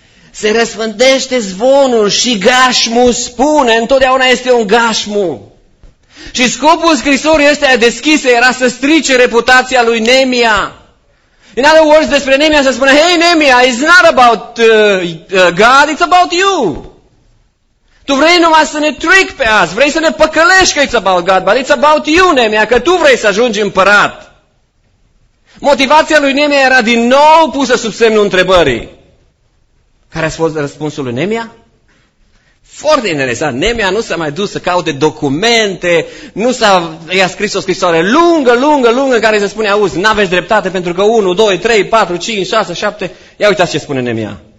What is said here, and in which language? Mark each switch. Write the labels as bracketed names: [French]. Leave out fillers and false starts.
[Romanian] Se răspândește zvonul și Gașmu spune, întotdeauna este un Gașmu. Și scopul scrisorii ăsteia deschise era să strice reputația lui Nemia. [English] In other words, [Romanian] despre Nemia se spune, [English] hey Nemia, it's not about God, it's about you. [Romanian] Tu vrei numai să ne [English] trick [Romanian] pe azi, vrei să ne păcălești că [English] it's about God, but it's about you, [Romanian] Nemia, că tu vrei să ajungi împărat. Motivația lui Nemia era din nou pusă sub semnul întrebării. Care a fost răspunsul lui Nemia? Foarte interesant, Nemia nu s-a mai dus să caute documente, i-a scris o scrisoare lungă, lungă, lungă, care se spune, auzi, n-aveți dreptate pentru că 1, 2, 3, 4, 5, 6, 7, ia uitați ce spune Nemia.